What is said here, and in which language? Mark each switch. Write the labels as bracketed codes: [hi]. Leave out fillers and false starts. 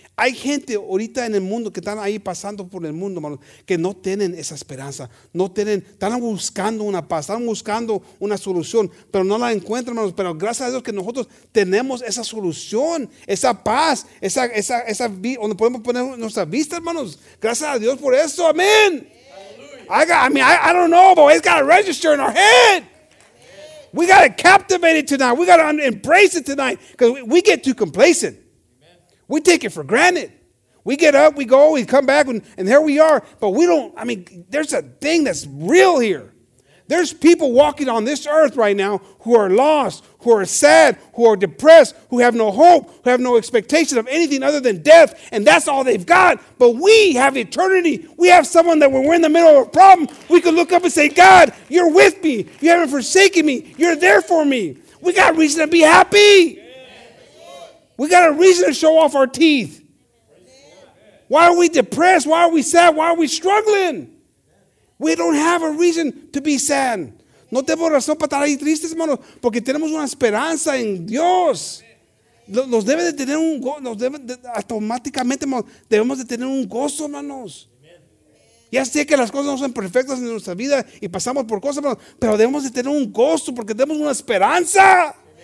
[es] Hay gente ahorita en el mundo que están ahí pasando por el mundo, hermanos, que no tienen esa esperanza. No tienen, están buscando una paz, están buscando una solución, pero no la encuentran, hermanos. Pero gracias a Dios que nosotros tenemos esa solución, esa paz, esa donde podemos poner nuestra vista, hermanos. Gracias a Dios por eso, amén. [en] I don't know, but it's got to register in our head. We got to captivate it tonight. We got to embrace it tonight because we get too complacent. We take it for granted. We get up, we go, we come back, and here we are. But we don't, I mean, there's a thing that's real here. There's people walking on this earth right now who are lost, who are sad, who are depressed, who have no hope, who have no expectation of anything other than death, and that's all they've got. But we have eternity. We have someone that when we're in the middle of a problem, we can look up and say, God, you're with me. You haven't forsaken me. You're there for me. We got reason to be happy. We got a reason to show off our teeth. Why are we depressed? Why are we sad? Why are we struggling? We don't have a reason to be sad. [es] No tengo razón para estar ahí tristes, hermano, porque tenemos una esperanza en Dios. Nos debe de tener un gozo, nos debe de, automáticamente, hermano, debemos de tener un gozo, hermanos. Ya sé que las cosas no son perfectas en nuestra vida y pasamos por cosas, hermano, pero debemos de tener un gozo porque tenemos una esperanza.